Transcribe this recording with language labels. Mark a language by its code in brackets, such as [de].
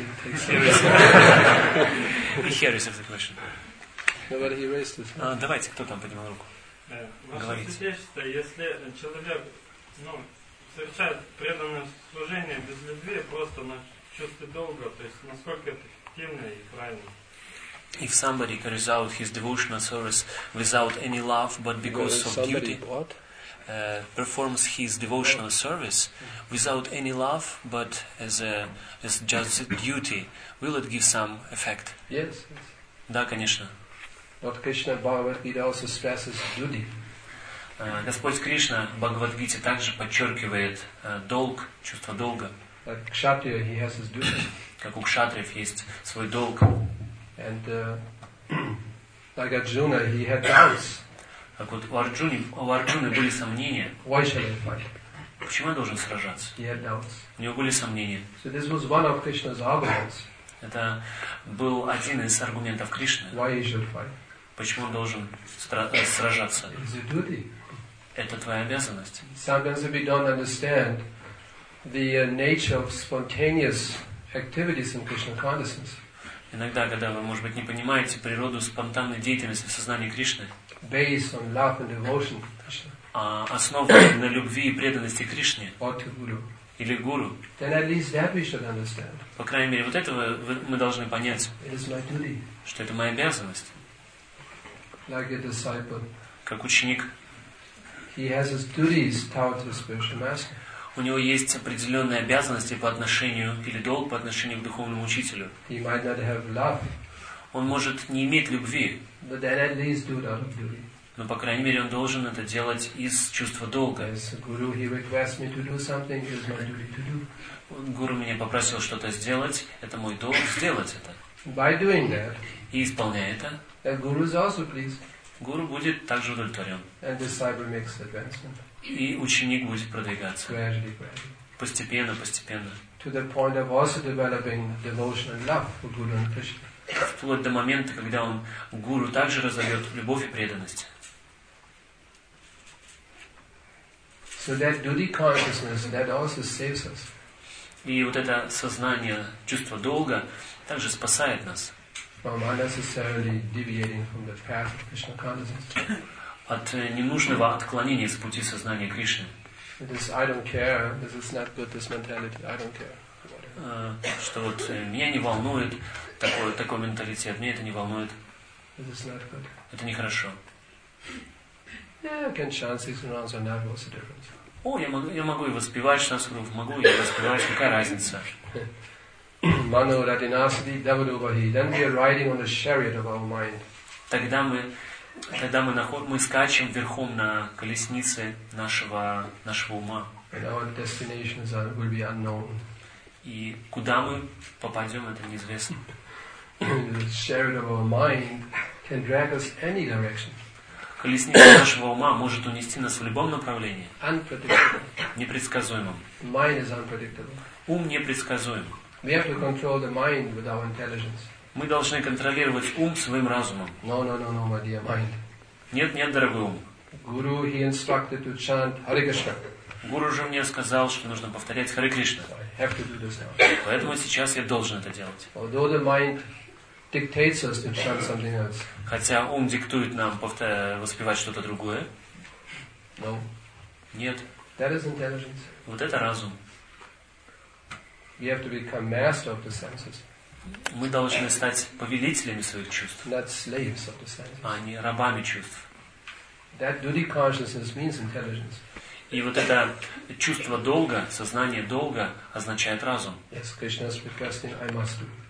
[en] Here is the question. Nobody here raised his hand. [ru] Давайте, кто там поднимал руку? Говорите. Если человек, совершает преданное служение без любви, просто на чувстве долга, то есть насколько это эффективно и правильно? [en] If somebody carries out his devotional service without any love, but because of duty, what? performs his devotional service without any love, but as just a duty, will it give some effect? Yes. [ru] Да, конечно. [en] But Krishna Bhagavad Gita also stresses duty. [ru] Господь Кришна в Бхагавад-гите также подчеркивает долг, чувство долга. [en] Like Kshatriya, he has his duty. [ru] Как у кшатриев есть свой долг. [en] And like Arjuna, he had doubts. [ru] Так вот, у Арджуны были сомнения. [en] Why should I fight? [ru] Почему я должен сражаться? [en] He had doubts. [ru] У него были сомнения. [en] So this was one of Krishna's arguments. [ru] Это был один из аргументов Кришны. [en] Why he should fight? [ru] Почему он должен сражаться? [en] It's a duty. [ru] Это твоя обязанность. [en] Sometimes we don't understand the nature of spontaneous activities in Krishna consciousness. [ru] Иногда, когда вы, может быть, не понимаете природу спонтанной деятельности в сознании Кришны, [en] based on love and devotion to Krishna, [ru] а основанной на любви и преданности Кришне, [en] or to Guru, [ru] или Гуру, [en] then at least that we should understand. [ru] По крайней мере, вот этого мы должны понять, [en] it is my duty, [ru] что это моя обязанность. [en] Like a disciple, [ru] как ученик, [en] he has his duties towards his spiritual master. [ru] У него есть определенные обязанности по отношению или долг по отношению к духовному учителю. [en] He might not have love, [ru] он может не иметь любви, [en] but then at least do it out of duty. [ru] Но по крайней мере он должен это делать из чувства долга. [en] As a guru, he requests me to do something, it's my duty to do. [ru] Гуру меня попросил что-то сделать, это мой долг сделать это. [en] By doing that, [ru] и исполняя это, [en] the guru is also pleased. [ru] Гуру будет также удовлетворен. [en] And the disciple makes advancement. [ru] И ученик будет продвигаться. [en] Gradually, gradually. [ru] Постепенно, постепенно. [en] To the point of also developing devotion and love for Guru and Krishna. [ru] Вплоть до момента, когда он гуру также разовьет любовь и преданность. [en] So that duty consciousness that also saves us. [ru] И вот это сознание, чувство долга, также спасает нас. [en] From unnecessarily deviating from the path of Krishna consciousness. [ru] От ненужного отклонения с пути сознания Кришны. [en] This I don't care. This is not good. This mentality. I don't care. [ru] Что вот меня не волнует такой менталитет. Мне это не волнует. [en] This is not good. [ru] Это нехорошо. [en] Yeah, can chant six rounds or not? What's the difference? [ru] О, я могу и воспевать шансуров, могу и воспевать, какая разница? [sa] Mano radinasti devadubahi. [en] Then we are riding on the chariot of our mind. [ru] Тогда мы скачем верхом на колеснице нашего ума. And our destinations will be unknown. И куда мы попадем, это неизвестно. [en] The chariot of our mind can drag us any direction. [ru] Колесница нашего ума может унести нас в любом направлении. Непредсказуемым. [en] Mind is unpredictable. [ru] Ум непредсказуем. [en] We have to control the mind with our intelligence. [ru] Мы должны контролировать ум своим разумом. [en] No, my dear mind. [ru] Нет, дорогой ум. [en] Guru, he instructed to chant Hare Krishna. [ru] Гуру же мне сказал, что нужно повторять Харе Кришна. [en] I have to do this now. [ru] Поэтому сейчас я должен это делать. [en] Although the mind dictates us to chant something else. [ru] Хотя ум диктует нам воспевать что-то другое. [en] No. [ru] Нет. [en] That is intelligence. [ru] Вот это разум. [en] We have to become master of the senses. [ru] Мы должны стать повелителями своих чувств, [en] not slaves of the senses, [ru] а не рабами чувств. [en] That duty consciousness means intelligence. [ru] И вот это чувство долга, сознание долга означает разум. [en] Yes, Krishna is requesting, I must do.